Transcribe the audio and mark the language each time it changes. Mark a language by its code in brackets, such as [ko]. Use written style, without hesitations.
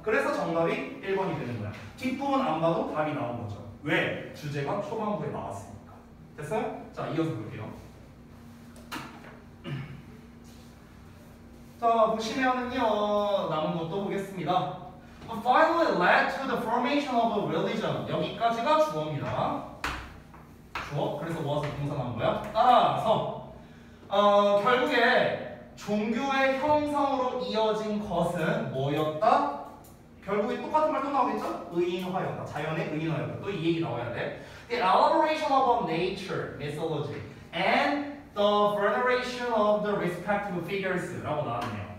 [ko] 그래서 정답이 1번이 되는 거야. 뒷부분 안 봐도 답이 나온 거죠. 왜? 주제가 초반부에 나왔으니까. 됐어요? 자, 이어서 볼게요. 자, 보시면은요, 남은 것도 보겠습니다. [en] But finally led to the formation of a religion. [ko] 여기까지가 주어입니다. 주어? 그래서 모아서 동사 나온 거야? 따라서 결국에 종교의 형성으로 이어진 것은 뭐였다? 결국에 똑같은 말 또 나오겠죠? 의인화였다. 자연의 의인화였다. 또 이 얘기 나와야 돼. [en] The adoration of nature, mythology, and the veneration of the respective figures [ko] 라고 나왔네요.